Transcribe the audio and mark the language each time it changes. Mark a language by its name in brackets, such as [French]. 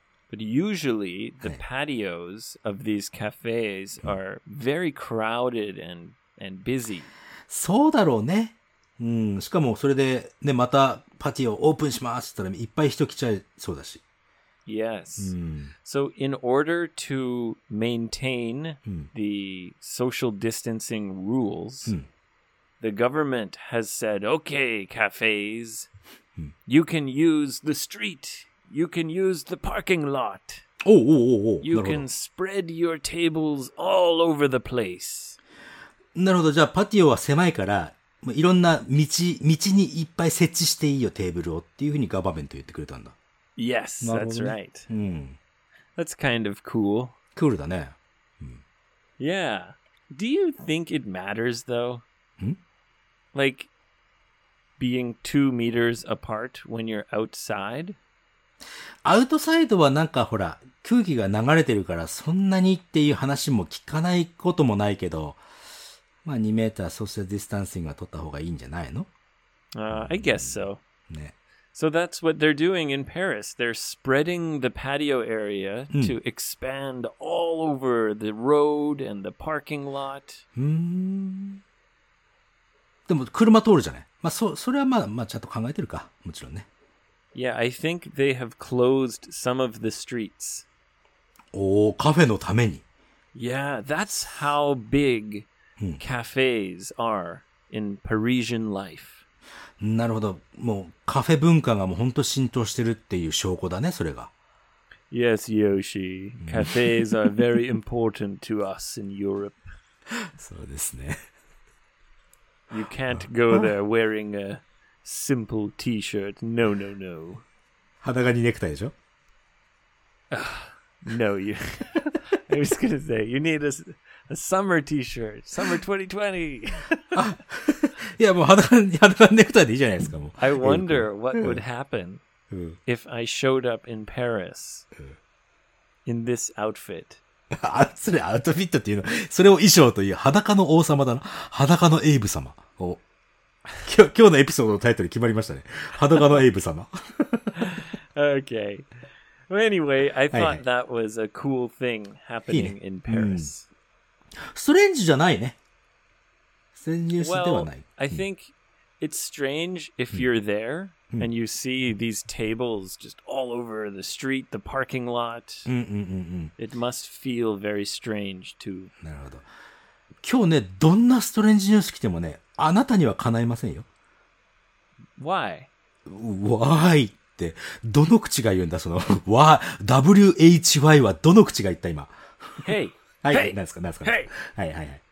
[English] But usually the patios of these cafes are very crowded and busy. [Japanese] そうだろうね。うん。しかもそれでね、またパティオオープンしますって言ったらいっぱい人来ちゃいそうだし。 [English] Yes.、うん、so in order to maintain the social distancing rules,、うん、the government has said, okay, cafes,、うん、you can use the street. You can use the parking lot. You can spread your tables all over the place. [Japanese] なるほど。じゃあパティオは狭いから、いろんな道にいっぱい設置していいよテーブルをっていうふうにガバメント言ってくれたんだ。 [English] Yes, that's right.、うん、 that's kind of cool. [Japanese] クールだね。うん、 [English] yeah. Do you think it matters though? Like being 2 meters apart when you're outside? [Japanese] アウトサイドはなんかほら空気が流れてるからそんなにっていう話も聞かないこともないけど、まあ2メーターソーシャルディスタンシングは取った方がいいんじゃないの、 [English] I guess so. [Japanese] ね。 [English] So that's what they're doing in Paris. They're spreading the patio area to expand all over the road and the parking lot. [Japanese] でも車通るじゃない。まあそれはまあちゃんと考えてるか。もちろんね。 [English] Yeah, I think they have closed some of the streets. [Japanese] Oh, cafe のために? [English] Yeah, that's how big cafes are in Parisian life. [Japanese] なるほど。もうカフェ文化がもう本当浸透してるっていう証拠だね、それが。 [English] Yes, Yoshi. Cafes are very important to us in Europe. [Japanese] そうですね。 [English] You can't go there wearing a... Simple T-shirt. No, no, no. [Japanese] 裸にネクタイでしょ? [English] No, you... I was gonna say, you need a summer T-shirt. Summer 2020! [Japanese] いや、もう裸にネクタイでいいじゃないですか、もう。 I wonder what would happen if I showed up in Paris in this outfit. それ、アウトフィットっていうの。それを衣装という裸の王様だな。裸のエイブ様を。今日のエピソードのタイトル決まりましたね。裸のエイブ様。 [English] Okay. Well, anyway, I thought that was a cool thing happening in Paris. [Japanese] ストレンジじゃないね。ストレンジではない。 [English] Well, I think it's strange if you're there and you see these tables just all over the street, the parking lot. It must feel very strange too. [Japanese] なるほど。今日ね、どんなストレンジニュース来てもね、あなたには叶いませんよ。 [English] Why? Why? [Japanese] って、どの口が言うんだ、その、why はどの口が言った、今。 [English] Hey! [Japanese] はい、何ですか、何ですか。 [English] Hey! [Japanese] はい、はい、はい。